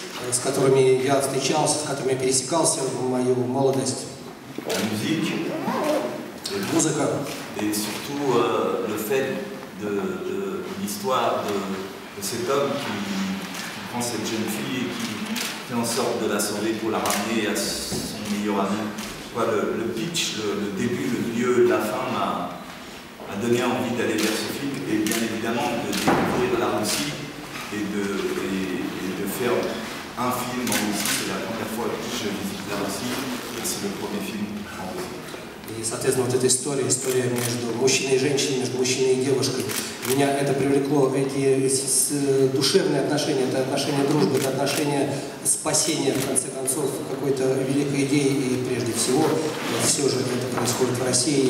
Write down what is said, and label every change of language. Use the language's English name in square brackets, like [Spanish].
[Russian] С которыми я встречался, с которыми я пересекался в мою молодость. Музыка. Музыка. [French] И surtout le fait de l'histoire de cet homme qui prend cette jeune fille et qui fait en sorte de la sauver pour la ramener à son meilleur ami. Quoi, le pitch, le début, le milieu, la fin m'a donné envie d'aller vers ce film et bien évidemment de découvrir la Russie et de faire un film en Russie. C'est la première fois que je visite la Russie et c'est le premier film en Russie. [Russian] И, соответственно, вот эта история между мужчиной и женщиной, между мужчиной и девушкой, меня это привлекло, эти душевные отношения, это отношения дружбы, это отношения спасения, в конце концов, какой-то великой идеи, и прежде всего, все же это происходит в России.